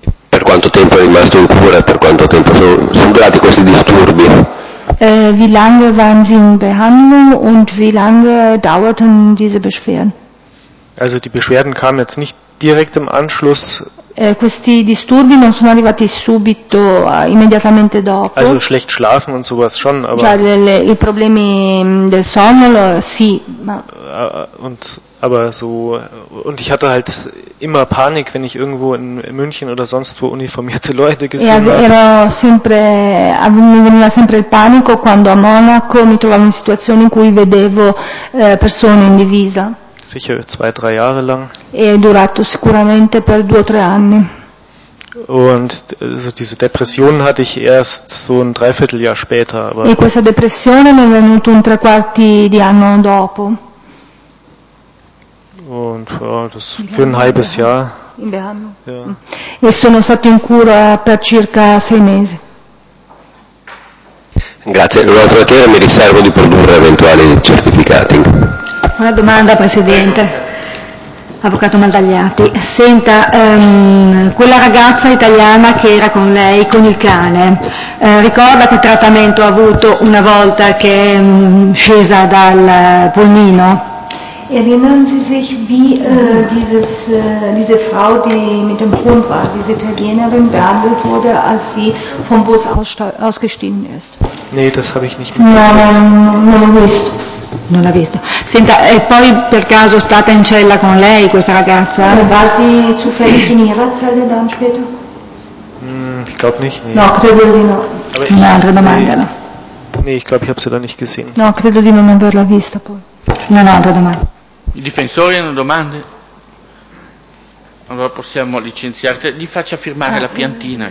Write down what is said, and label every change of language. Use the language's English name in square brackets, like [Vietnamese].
[Italian] Per quanto tempo è rimasto in cura e per quanto tempo sono durati questi disturbi? [German] Wie lange waren Sie in Behandlung und wie lange dauerten diese Beschwerden? Also die Beschwerden kamen jetzt nicht direkt im Anschluss. [Italian] questi disturbi non sono arrivati subito, immediatamente dopo. [German] Also schlecht schlafen und sowas schon, aber [Italian] cioè, i problemi del sonno, sì, ma [German] aber so, und ich hatte halt immer Panik, wenn ich irgendwo in München oder sonst wo uniformierte Leute gesehen habe. [Italian] Ero sempre, mi veniva sempre il panico quando a Monaco mi trovavo in situazioni in cui vedevo persone in divisa. [German] Sicher 2-3 Jahre lang. [Italian] È durato sicuramente per 2-3 anni. [German] Und so diese Depression hatte ich erst so ein Dreivierteljahr später. Aber [Italian] e questa depressione mi è venuta un tre quarti di anno dopo. [German] Und das für ein halbes Jahr. In Behandlung. Ja. [Italian] E sono stato in cura per circa 6 mesi. Grazie. Un'altra chiara, mi riservo di produrre eventuali certificati. Una domanda, Presidente. Avvocato Maldagliati. Senta, quella ragazza italiana che era con lei, con il cane, ricorda che trattamento ha avuto una volta che è scesa dal pulmino? [German] Erinnern Sie sich, wie diese Frau, die mit dem Hund war, diese Italienerin, behandelt wurde, als sie vom Bus ausgestiegen ist? Nee, das habe ich nicht mitbekommen. [Italian] Non l'ha visto. Senta, e poi per caso è stata in cella con lei questa ragazza? [German] War sie zufällig in ihrer Zelle dann später? Ich glaube nicht. Nee. [Italian] No, credo di no. Un'altra domanda. [German] Nee, ich glaube, ich habe sie da nicht gesehen. [Italian] No, credo di non averla vista poi. Un'altra domanda. I difensori hanno domande? Allora possiamo licenziarti. Gli faccia firmare la piantina.